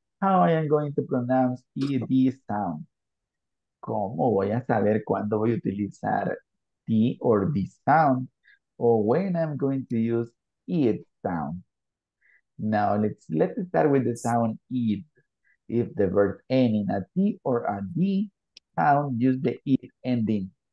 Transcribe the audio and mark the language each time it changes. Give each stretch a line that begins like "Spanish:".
English: How I am going to pronounce ED sound?
Spanish: ¿Cómo voy a saber cuándo voy a utilizar
English: T or D sound? Or when I'm going to use ED sound? Now, let's start with the sound ED. If the verb ends in a T or a D sound, use the ED ending.